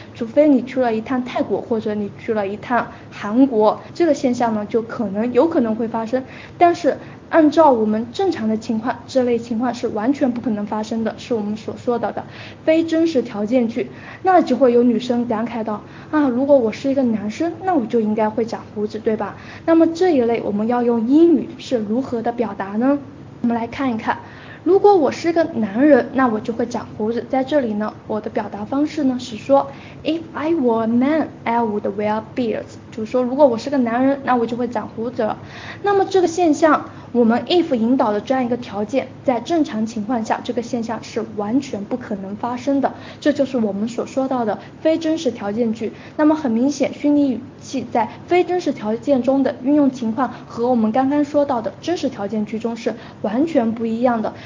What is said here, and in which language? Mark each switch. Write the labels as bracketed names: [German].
[Chinese] 除非你去了一趟泰国或者你去了一趟韩国，这个现象呢就有可能会发生，但是按照我们正常的情况这类情况是完全不可能发生的，是我们所说的非真实条件句。那就会有女生感慨到啊，如果我是一个男生那我就应该会长胡子，对吧？那么这一类我们要用英语是如何的表达呢？我们来看一看，如果我是个男人，那我就会长胡子。在这里呢，我的表达方式呢是说 [English] If I were a man, I would wear beards. [Chinese] 就是说如果我是个男人，那我就会长胡子了。那么这个现象，我们 if 引导的这样一个条件，在正常情况下，这个现象是完全不可能发生的。这就是我们所说到的非真实条件句。那么很明显，虚拟语气在非真实条件中的运用情况和我们刚刚说到的真实条件句中是完全不一样的。